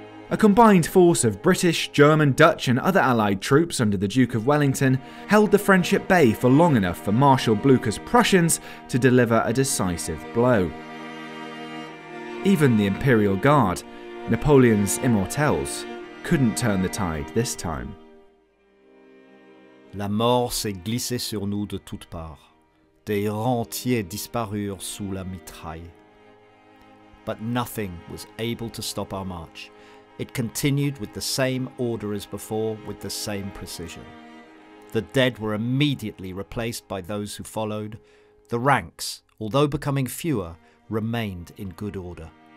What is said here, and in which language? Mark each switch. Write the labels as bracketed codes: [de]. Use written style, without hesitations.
[en] A combined force of British, German, Dutch and other Allied troops under the Duke of Wellington held the French at bay for long enough for Marshal Blücher's Prussians to deliver a decisive blow. Even the Imperial Guard, Napoleon's immortelles, couldn't turn the tide this time. [fr] La mort s'est glissée sur nous de toutes parts. Des rangs entiers disparurent sous la mitraille. [en] But nothing was able to stop our march. It continued with the same order as before, with the same precision. The dead were immediately replaced by those who followed. The ranks, although becoming fewer, remained in good order.